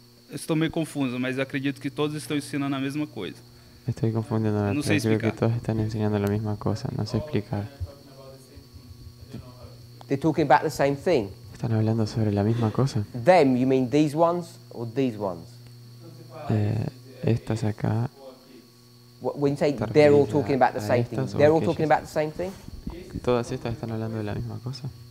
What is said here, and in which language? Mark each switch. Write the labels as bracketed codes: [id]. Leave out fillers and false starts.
[pt] Estou meio confuso, mas acredito que todos estão ensinando a mesma coisa. Estou confundindo, não sei explicar. [es] Creo que todos están enseñando la misma cosa, no sé explicar. [en] They're talking about the same thing. [es] Están hablando sobre la misma cosa. [en] Them, you mean these ones or these ones? [es] Estas acá. [en] When you say they're all talking about the same thing, they're all talking about the same thing? [es] Todas estas están hablando de la misma cosa.